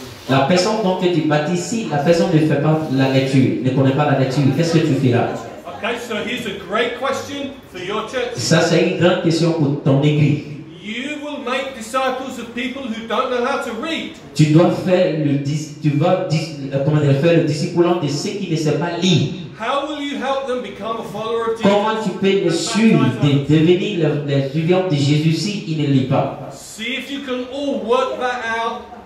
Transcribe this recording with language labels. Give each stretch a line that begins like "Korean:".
French: La personne dont tu baptises, si la personne ne fait pas la lecture, ne connaît pas la lecture, qu'est-ce que tu feras?
English: Okay, so here's a great question for your church.
French: Ça, c'est une grande question pour ton église.
English: You will make disciples of people who don't know how to read.
French: Tu dois faire le discipulant de ceux qui ne savent pas lire.
English: How will you help them become a follower of Jesus?
French: Comment tu peux les suivre, de devenir le suivant de Jésus si ils ne lisent pas?
English: See if you can all work that out.